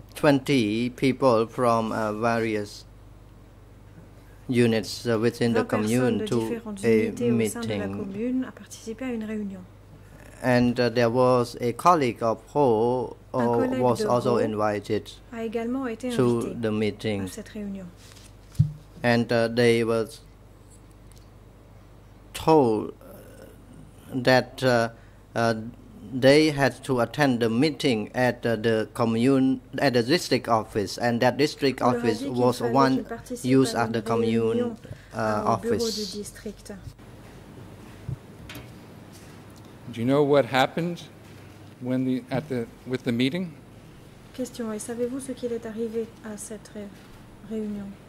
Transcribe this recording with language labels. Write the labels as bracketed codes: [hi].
[en] 20 people from various units within the commune to a meeting. [fr] Au sein de la commune, a participé à une réunion. [en] And there was a colleague of Ho who was also invited to the meeting. And they were told that they had to attend the meeting at the commune, at the district office, and that district office was one used at the commune office. Do you know what happened when the at the with the meeting? [fr] Question: et savez-vous ce qu'il est arrivé à cette réunion?